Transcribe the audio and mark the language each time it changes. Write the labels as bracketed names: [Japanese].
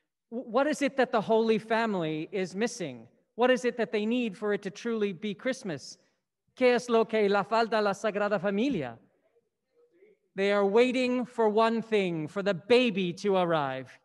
[English] What is it that the Holy Family is missing? What is it that they need for it to truly be Christmas? [Spanish] ¿Qué es lo que la falta la Sagrada Familia? [English] They are waiting for one thing, for the baby to arrive.